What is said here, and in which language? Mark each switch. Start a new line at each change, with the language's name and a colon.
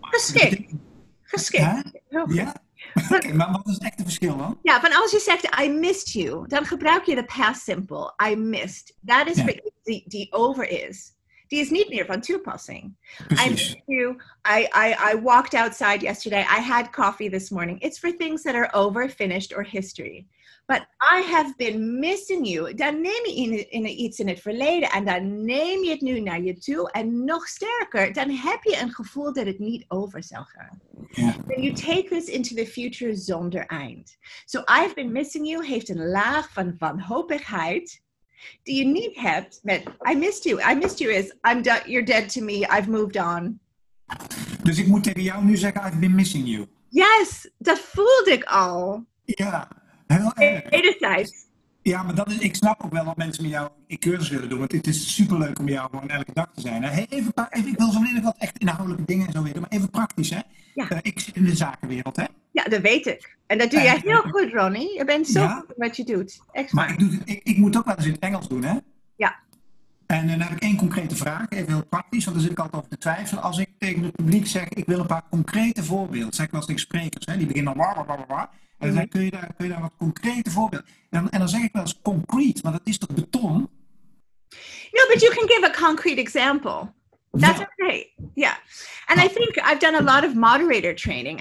Dutch: Geschikt. betekent. Geschikt. Hè? Heel goed. Ja? Oké, maar wat is echt het verschil dan? Ja, van als je zegt
English: I missed you,
Dutch: dan gebruik je de past simple.
English: I missed.
Dutch: Dat is voor iets die over is. Die is niet meer van toepassing.
English: I missed
Dutch: Precies.
English: you. I walked outside yesterday. I had coffee this morning. It's for things that are over, finished, or history. But I have been missing you.
Dutch: Dan neem je in iets in het verleden en dan neem je het nu naar je toe. En nog sterker, dan heb je een gevoel dat het niet over zal gaan.
English: Then you take this into the future
Dutch: zonder eind.
English: So I've been missing you
Dutch: heeft een laag van wanhopigheid die je niet hebt met
English: I missed you. I missed you is I'm done, you're dead to me, I've moved on.
Dutch: Dus ik moet tegen jou nu zeggen,
English: I've been missing you.
Dutch: Yes, dat voelde ik al. Ja, heel erg. Wederzijds. Ja, maar dat is, ik snap ook wel dat mensen met jou in cursus willen doen. Want het is superleuk om jou gewoon elke dag te zijn. Even, ik wil zo meteen wat echt inhoudelijke dingen en zo weten. Maar even praktisch, hè. Ik zit in de zakenwereld, hè. Ja, dat weet ik. En dat doe jij heel goed, Ronnie. Je bent zo goed Ja, in wat je doet. Echt maar waar. ik moet ook wel eens in het Engels doen, hè. En dan heb ik één concrete vraag, even heel praktisch, want daar zit ik altijd over te twijfelen. Als ik tegen het publiek zeg, ik wil een paar concrete voorbeelden, zeg ik wel eens tegen sprekers, hè, die beginnen dan blablabla. En dan zeg ik, kun je daar wat concrete voorbeelden? En dan zeg ik wel eens concrete, maar dat is toch beton?
English: No, but you can give a concrete example. That's
Dutch: Wel.
English: okay. Yeah. And I think I've done a lot of moderator training.